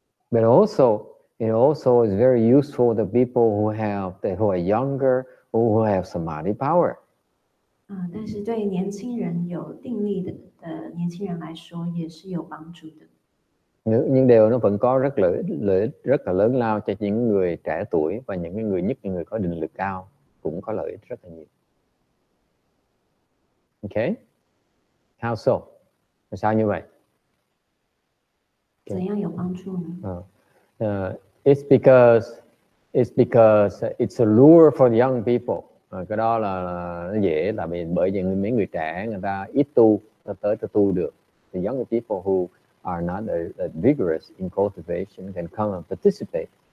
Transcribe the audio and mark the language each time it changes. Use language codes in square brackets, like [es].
[en] But also it also is very useful to people who are younger or who have samadhi power. [zh] 但是对年轻人有定力的年轻人来说也是有帮助的。 [vi] Những điều nó vẫn có rất lợi lợi rất là lớn lao cho những người trẻ tuổi và những cái người nhất những người có định lực cao cũng có lợi rất là nhiều. [en] Okay, how so? [vi] Sao như vậy? [en] Okay. It's because it's a lure for young people. [vi] Cái đó là nó dễ, là vì bởi vì mấy người trẻ người ta ít tu, ta tới ta tu được. [en] The young people who are not that vigorous in cultivation can come and participate.